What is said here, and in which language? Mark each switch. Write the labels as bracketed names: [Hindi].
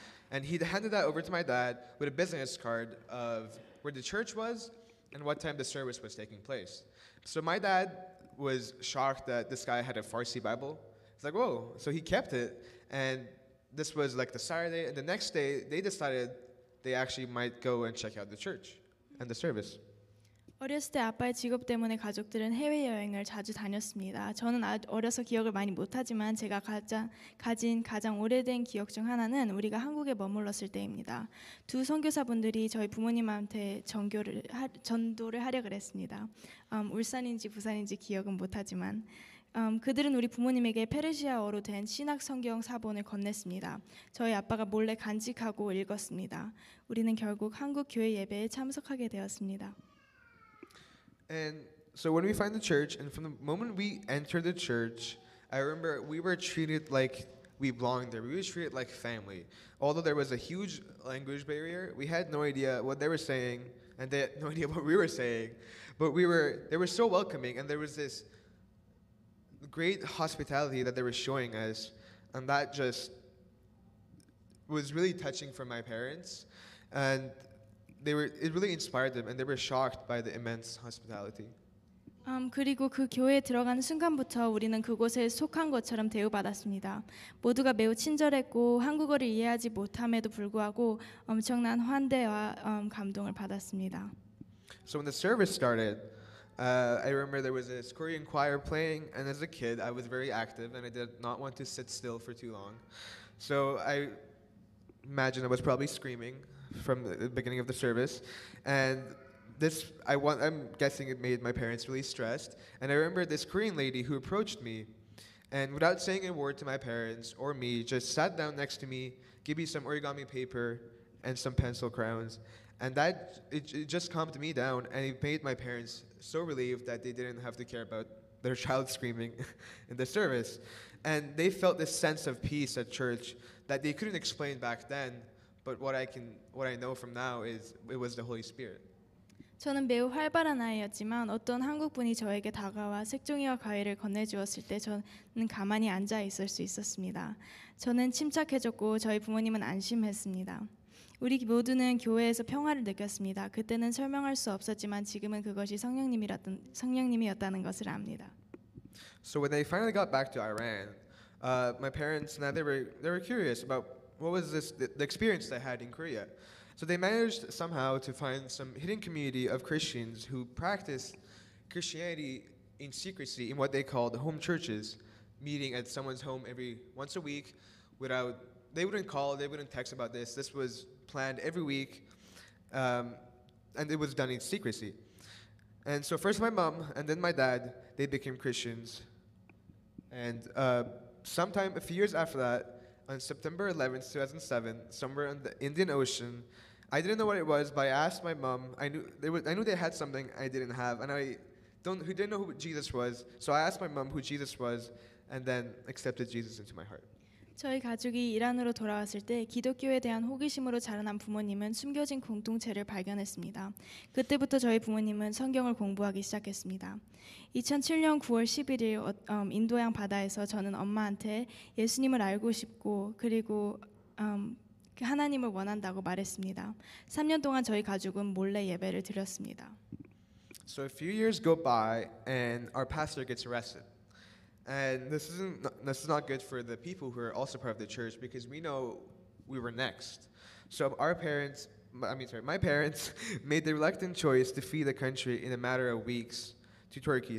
[English] And he handed that over to my dad with a business card of where the church was and what time the service was taking place. So my dad was shocked that this guy had a Farsi Bible. He's like, whoa. So he kept it. And this was like the Saturday. And the next day, they decided they actually might go and check out the church and the service. [Korean] 어렸을 때 아빠의 직업 때문에 가족들은 해외여행을 자주 다녔습니다. 저는 어려서 기억을 많이 못하지만 제가 가진 가장 오래된 기억 중 하나는 우리가 한국에 머물렀을 때입니다. 두 선교사분들이 저희 부모님한테 전도를 하려고 했습니다. 울산인지 부산인지 기억은 못하지만 그들은 우리 부모님에게 페르시아어로 된 신학 성경 사본을 건넸습니다. 저희 아빠가 몰래 간직하고 읽었습니다. 우리는 결국 한국 교회 예배에 참석하게 되었습니다. [English] And so when we find the church, and from the moment we enter the church, I remember we were treated like we belonged there. We were treated like family. Although there was a huge language barrier, we had no idea what they were saying, and they had no idea what we were saying. But they were so welcoming, and there was this great hospitality that they were showing us, and that just was really touching for my parents, and it really inspired them, and they were shocked by the immense hospitality. [Korean] 그리고 그 교회에 들어가는 순간부터 우리는 그곳에 속한 것처럼 대우받았습니다. 모두가 매우 친절했고 한국어를 이해하지 못함에도 불구하고 엄청난 환대와 감동을 받았습니다. [English] So when the service started, I remember there was a Korean choir playing, and as a kid, I was very active, and I did not want to sit still for too long. So I imagine I was probably screaming from the beginning of the service, and I'm guessing it made my parents really stressed. And I remember this Korean lady who approached me, and without saying a word to my parents or me, just sat down next to me, gave me some origami paper and some pencil crayons, and that it just calmed me down, and it made my parents so relieved that they didn't have to care about their child screaming in the service. And they felt this sense of peace at church that they couldn't explain back then, but what I know from now is it was the Holy Spirit. [Korean] 저는 매우 활발한 아이였지만 어떤 한국 분이 저에게 다가와 색종이와 과일을 건네주었을 때 저는 가만히 앉아 있을 수 있었습니다. 저는 침착해졌고 저희 부모님은 안심했습니다. 우리 모두는 교회에서 평화를 느꼈습니다. 그때는 설명할 수 없었지만 지금은 그것이 성령님이었다는 것을 압니다. [English] So when they finally got back to Iran, my parents and I, they were curious about what was this the experience they had in Korea. So they managed somehow to find some hidden community of Christians who practiced Christianity in secrecy in what they called home churches, meeting at someone's home every once a week without, they wouldn't call, they wouldn't text about this. This was planned every week, and it was done in secrecy. And so first my mom and then my dad, they became Christians. And sometime a few years after that, on September 11th, 2007, somewhere in the Indian Ocean, I didn't know what it was, but I asked my mom. I knew they had something I didn't have, and I didn't know who Jesus was. So I asked my mom who Jesus was, and then accepted Jesus into my heart. [Korean] 저희 가족이 이란으로 돌아왔을 때 기독교에 대한 호기심으로 자라난 부모님은 숨겨진 공동체를 발견했습니다. 그때부터 저희 부모님은 성경을 공부하기 시작했습니다. 2007년 9월 11일 인도양 바다에서 저는 엄마한테 예수님을 알고 싶고 그리고 하나님을 원한다고 말했습니다. 3년 동안 저희 가족은 몰래 예배를 드렸습니다. [English] So a few years go by and our pastor gets arrested. And this is not good for the people who are also part of the church because we know we were next. So my parents made the reluctant choice to flee the country in a matter of weeks to Turkey.